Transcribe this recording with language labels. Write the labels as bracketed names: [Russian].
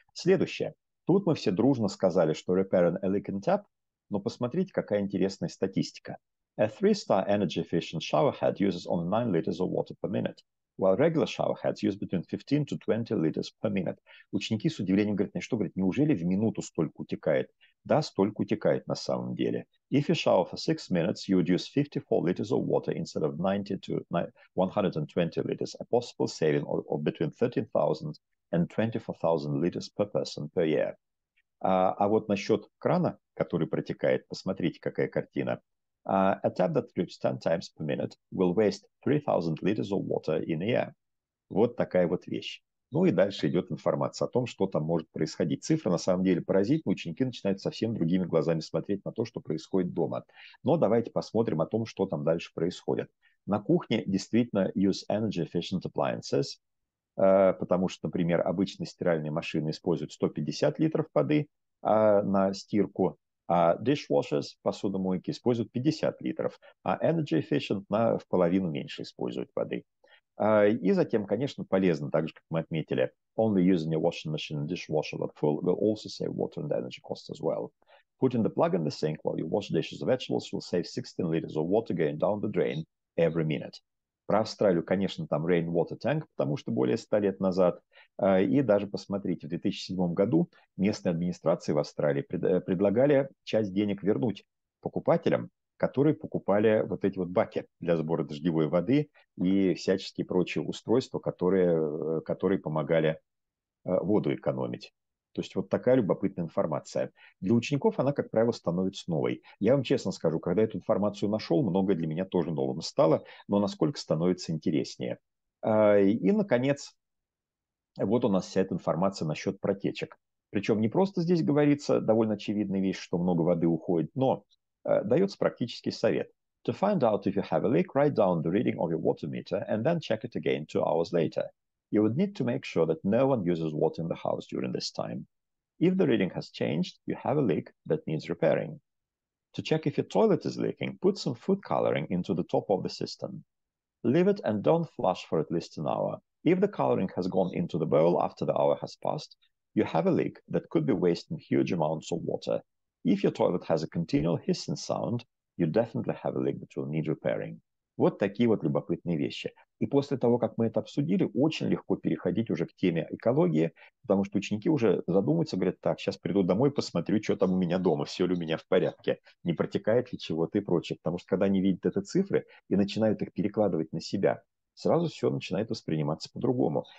[Russian] Следующее. Тут мы все дружно сказали, что [English] repairing a leaking tap, [Russian] но посмотрите, какая интересная статистика. [English] A three-star energy efficient showerhead uses only 9 liters of water per minute, while regular showerheads use between 15 to 20 liters per minute. [Russian] Ученики с удивлением говорят, ну что, говорят, неужели в минуту столько утекает? Да, столько утекает на самом деле. [English] If you shower for 6 minutes, you would use 54 liters of water instead of 90 to 120 liters, a possible saving of between 13,000 and 24,000 liters per person per year. [Russian] А вот насчет крана, который протекает, посмотрите, какая картина. [English] A tap that drips 10 times per minute will waste 3,000 liters of water in a year. [Russian] Вот такая вот вещь. Ну и дальше идет информация о том, что там может происходить. Цифры на самом деле поразительны, ученики начинают совсем другими глазами смотреть на то, что происходит дома. Но давайте посмотрим о том, что там дальше происходит. На кухне действительно [English] use energy efficient appliances, [Russian] потому что, например, обычно стиральные машины используют 150 литров воды на стирку, а dishwashers, посудомойки, используют 50 литров, а energy efficient в половину меньше используют воды. И затем, конечно, полезно, так же, как мы отметили, [English] only using a washing machine and dishwasher at full will also save water and energy costs as well. Putting the plug in the sink while you wash dishes or vegetables will save 16 liters of water going down the drain every minute. [Russian] Про Австралию, конечно, там rainwater tank, потому что более 100 лет назад. И даже посмотрите, в 2007 году местные администрации в Австралии предлагали часть денег вернуть покупателям, которые покупали вот эти вот баки для сбора дождевой воды и всяческие прочие устройства, которые помогали воду экономить. То есть вот такая любопытная информация. Для учеников она, как правило, становится новой. Я вам честно скажу, когда эту информацию нашел, многое для меня тоже новым стало, но насколько становится интереснее. И, наконец, вот у нас вся эта информация насчет протечек. Причем не просто здесь говорится довольно очевидная вещь, что много воды уходит, но дается практический совет. [English] To find out if you have a leak, write down the reading of your water meter and then check it again 2 hours later. You would need to make sure that no one uses water in the house during this time. If the reading has changed, you have a leak that needs repairing. To check if your toilet is leaking, put some food coloring into the top of the system. Leave it and don't flush for at least an hour. If the coloring has gone into the bowl after the hour has passed, you have a leak that could be wasting huge amounts of water. If your toilet has a continual hissing sound, you definitely have a leak that will need repairing. [Russian] Вот такие вот любопытные вещи. И после того, как мы это обсудили, очень легко переходить уже к теме экологии, потому что ученики уже задумываются, говорят, так, сейчас приду домой, посмотрю, что там у меня дома, все ли у меня в порядке, не протекает ли чего-то и прочее. Потому что когда они видят эти цифры и начинают их перекладывать на себя, сразу все начинает восприниматься по-другому.